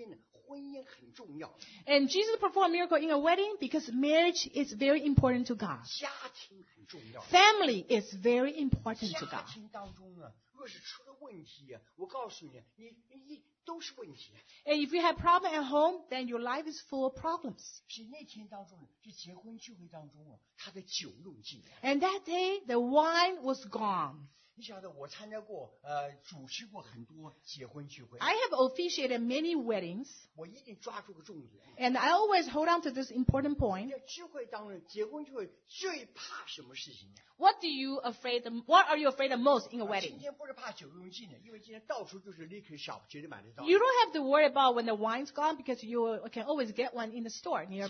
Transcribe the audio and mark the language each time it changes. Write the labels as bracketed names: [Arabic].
[Chinese] 这个婚姻当中呢，是耶稣行神迹在结婚呢，婚姻很重要。 [English] And Jesus performed a miracle in a wedding because marriage is very important to God. [Chinese] 家庭。 [English] Family is very important to God. [Chinese] 家庭当中呢，若是出了问题，我告诉你，你都是问题。 [English] And if you have problem at home, then your life is full of problems. [Chinese] 是那天当中呢，就结婚聚会当中啊，他的酒用尽了。 [English] And that day, the wine was gone. [Chinese] 你晓得我参加过，主持过很多结婚聚会。 [English] I have officiated many weddings. [Chinese] 我一定抓住个重点。 [English] And I always hold on to this important point. [Chinese] 结婚聚会最怕什么事情？ [English] What do you afraid? What are you afraid of most in a wedding? [Chinese] 今天不是怕酒用尽了，因为今天到处都是 liquor shop，绝对买得到。 [English] You don't have to worry about when the wine's gone because you can always get one in the store nearby.